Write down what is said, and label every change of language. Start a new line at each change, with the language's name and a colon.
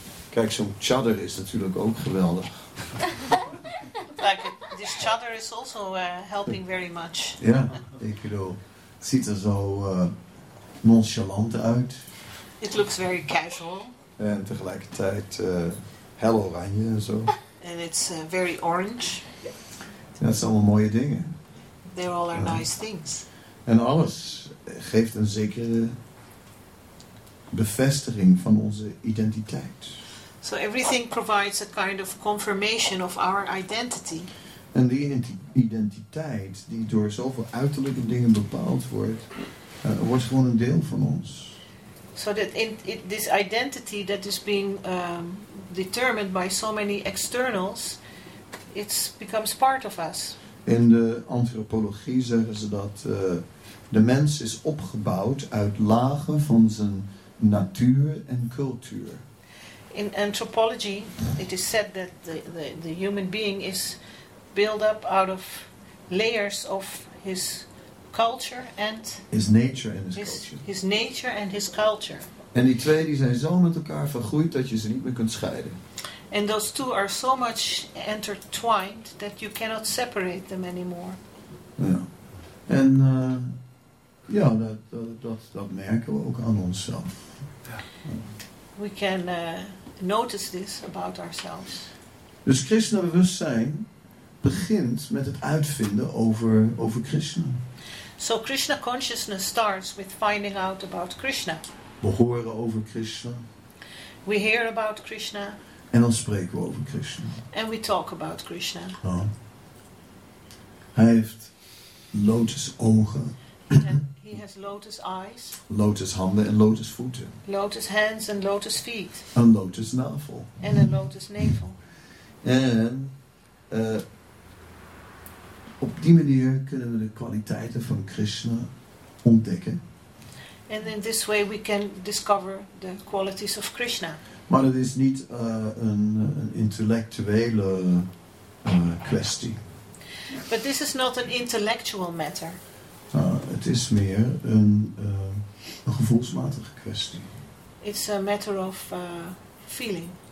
Dutch: Kijk, zo'n chadder is natuurlijk ook geweldig.
English: Like, this chadder is also helping very much.
Dutch: Ja, ik bedoel, het ziet er zo nonchalant uit.
English: It looks very casual.
Dutch: En tegelijkertijd hel oranje en zo.
English: And it's very orange.
Dutch: Ja, dat zijn allemaal mooie dingen.
English: They all are nice things.
Dutch: En alles geeft een zekere bevestiging van onze identiteit.
English: So everything provides a kind of confirmation of our identity.
Dutch: En die identiteit die door zoveel uiterlijke dingen bepaald wordt, wordt gewoon een deel van ons.
English: So that this identity that is being determined by so many externals, it becomes part of us.
Dutch: In de antropologie zeggen ze dat de mens is opgebouwd uit lagen van zijn natuur en cultuur.
English: In anthropology, it is said that the human being is built up out of layers of his culture and his nature and his culture. His nature and his culture.
Dutch: En die twee die zijn zo met elkaar vergroeid dat je ze niet meer kunt scheiden.
English: And those two are so much intertwined that you cannot separate them anymore. Ja.
Dutch: En ja, dat merken we ook aan onszelf.
English: We can notice this about ourselves.
Dutch: Dus Krishna bewustzijn begint met het uitvinden over Krishna.
English: So Krishna consciousness starts with finding out about Krishna.
Dutch: We horen over Krishna.
English: We hear about Krishna.
Dutch: En dan spreken we over Krishna.
English: And we talk about Krishna.
Dutch: Ja. Hij heeft lotus ogen.
English: He has lotus eyes.
Dutch: Lotus handen en lotus voeten.
English: Lotus hands and lotus feet.
Dutch: Een lotus navel.
English: And a lotus navel.
Dutch: En op die manier kunnen we de kwaliteiten van Krishna ontdekken.
English: And in this way we can discover the qualities of Krishna.
Dutch: Maar het is niet een intellectuele kwestie.
English: But this is not an intellectual matter.
Dutch: Het is meer een gevoelsmatige kwestie.
English: It's a matter of feeling.